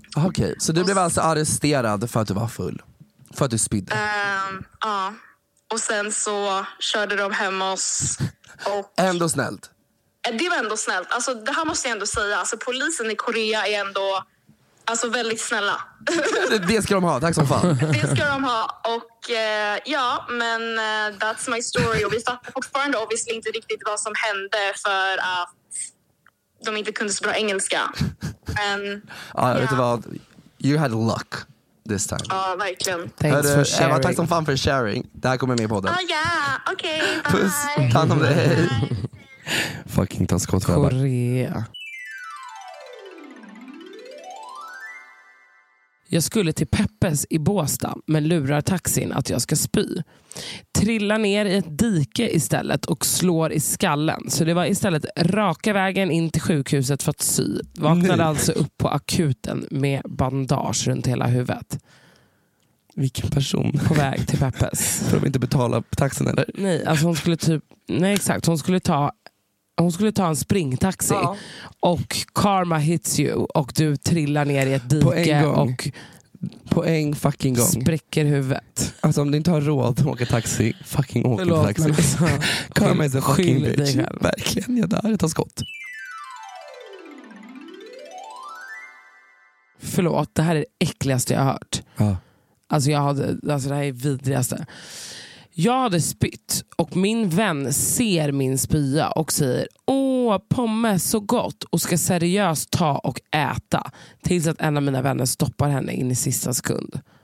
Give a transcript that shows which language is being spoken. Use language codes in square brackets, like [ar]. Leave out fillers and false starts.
[sv] Okej, okay, så du blev alltså arresterad för att du var full. För att du spydde. Ja. Och sen så körde de hem oss. Och ändå snällt. Det var ändå snällt. Alltså det här måste jag ändå säga. Alltså polisen i Korea är ändå, alltså väldigt snälla. Det ska de ha, tack som fan. Det ska de ha. Och ja, men that's my story. Och vi fattar fortfarande obviously inte riktigt vad som hände, för att de inte kunde så bra engelska. Men ja, vet du vad? You had luck this time. Ja, verkligen. [en] Thanks for sharing. [sv] Eva, tack som fan för sharing. Det här kommer med på det. Ja, okej, bye. Puss, ta hand om dig. Fucking transkott. Korea. Jag skulle till Peppes i Båsta men lurar taxin att jag ska spy. Trillar ner i ett dike istället och slår i skallen. Så det var istället raka vägen in till sjukhuset för att sy. Vaknade alltså upp på akuten med bandage runt hela huvudet. Vilken person. På väg till Peppes. För att inte betala taxin eller? Nej, alltså hon skulle typ... Nej, exakt. Hon skulle ta en springtaxi, ja. Och karma hits you och du trillar ner i ett dike på en gång. Och på en fucking gång spricker huvudet. Alltså om du inte har råd att åka taxi, fucking åka förlåt, taxi. [en] Alltså, karma is a fucking bitch. [sv] Verkligen, jag dör, jag tar skott. Förlåt, det här är det äckligaste jag har hört. Ja. Alltså jag hade, alltså det här är vidrigaste. Jag hade spytt och min vän ser min spya och säger åh, pommes så gott och ska seriöst ta och äta tills att en av mina vänner stoppar henne in i sista sekund.